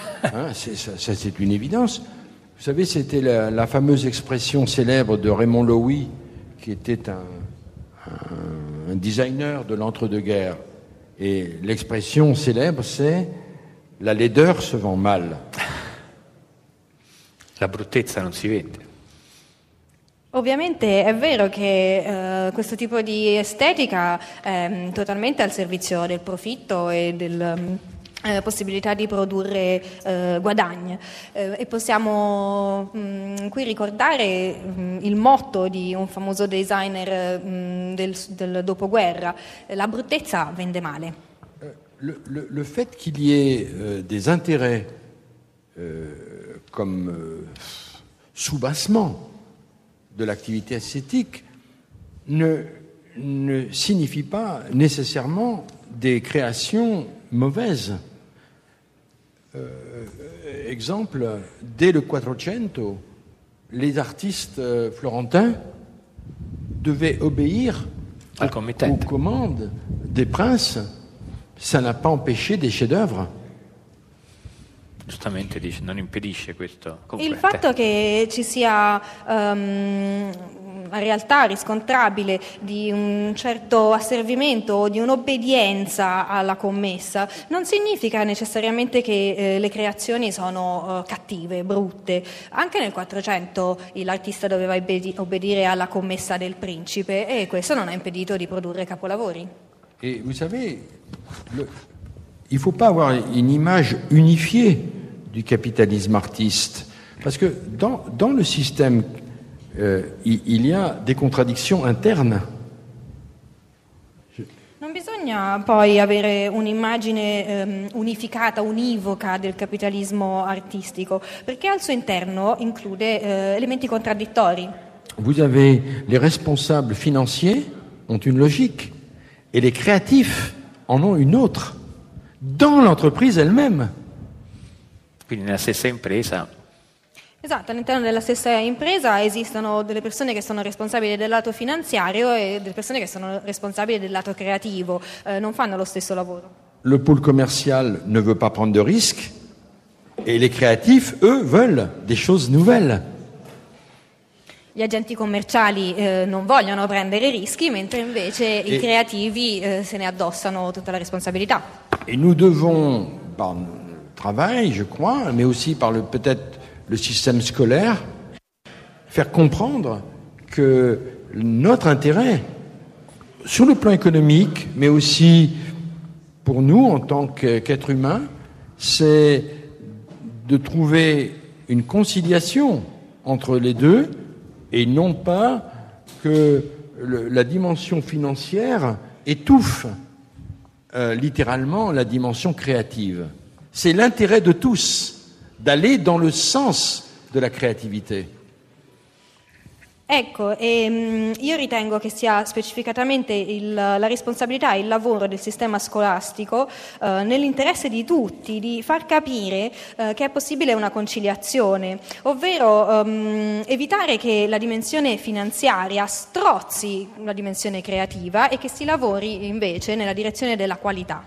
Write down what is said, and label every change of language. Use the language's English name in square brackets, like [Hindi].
[French] Hein, c'est une évidence. Vous savez, c'était la fameuse expression célèbre de Raymond Loewy, qui était un designer de l'entre-deux-guerres. Et l'expression célèbre, c'est « la laideur se vend mal ». [Italian] La bruttezza non si vende. Ovviamente è vero che questo tipo di estetica è totalmente al servizio del profitto e del possibilità di produrre guadagni. E possiamo qui ricordare il motto di un famoso designer del dopoguerra: la bruttezza vende male. [French] Le fait qu'il y ait des intérêts comme soubassement de l'activité ascétique ne signifie pas nécessairement des créations mauvaises. Exemple, dès le Quattrocento, les artistes florentins devaient obéir aux commandes des princes. Ça n'a pas empêché des chefs-d'œuvre. [Italian] Giustamente dice, non impedisce questo. Il fatto che ci sia una realtà riscontrabile di un certo asservimento o di un'obbedienza alla commessa non significa necessariamente che le creazioni sono cattive, brutte. Anche nel 400 l'artista doveva obbedire alla commessa del principe e questo non ha impedito di produrre capolavori. [French] E vous savez, il faut pas avoir une image unifiée du capitalisme artiste, parce que dans le système il y a des contradictions internes. [Italian] Non bisogna poi avere un'immagine unificata, univoca del capitalismo artistico, perché al suo interno include elementi contraddittori. [French] Vous avez les responsables financiers ont une logique et les créatifs en ont une autre dans l'entreprise elle-même. [Italian] Quindi nella stessa impresa. Esatto, all'interno della stessa impresa esistono delle persone che sono responsabili del lato finanziario e delle persone che sono responsabili del lato creativo, non fanno lo stesso lavoro. [French] Le pool commercial ne veut pas prendre de risques e les créatifs, eux, veulent des choses nouvelles. [Italian] Gli agenti commerciali non vogliono prendere rischi, mentre invece i creativi se ne addossano tutta la responsabilità. E noi dobbiamo. [French] Travail, je crois, mais aussi par peut-être le système scolaire, faire comprendre que notre intérêt, sur le plan économique, mais aussi pour nous en tant qu'êtres humains, c'est de trouver une conciliation entre les deux et non pas que la dimension financière étouffe littéralement la dimension créative. C'est l'intérêt de tous d'aller dans le sens de la créativité. [Italian] Ecco, io ritengo che sia specificatamente la responsabilità e il lavoro del sistema scolastico nell'interesse di tutti di far capire che è possibile una conciliazione, ovvero evitare che la dimensione finanziaria strozzi la dimensione creativa e che si lavori invece nella direzione della qualità.